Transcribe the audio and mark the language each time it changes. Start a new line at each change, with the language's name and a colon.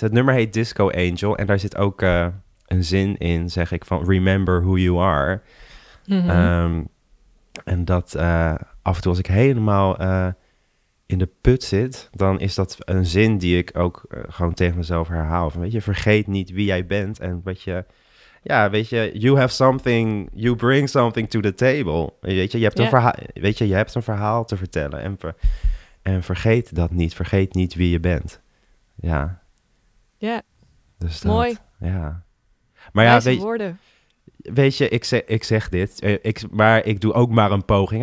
Dutch: Het nummer heet Disco Angel en daar zit ook een zin in, zeg ik, van
English: remember who you are.
Dutch: Mm-hmm. En dat af en toe als ik helemaal... in de put zit, dan is dat een zin die ik ook gewoon tegen mezelf herhaal. Van, weet je, vergeet niet wie jij bent en wat je... Ja, weet je,
English: you have something, you bring something to the table.
Dutch: Weet je, je hebt een verhaal te vertellen. En vergeet dat niet, vergeet niet wie je bent. Ja. Ja, dus mooi. Ja. Maar ja, wijze woorden. Weet je, ik zeg dit, maar ik doe ook maar een poging.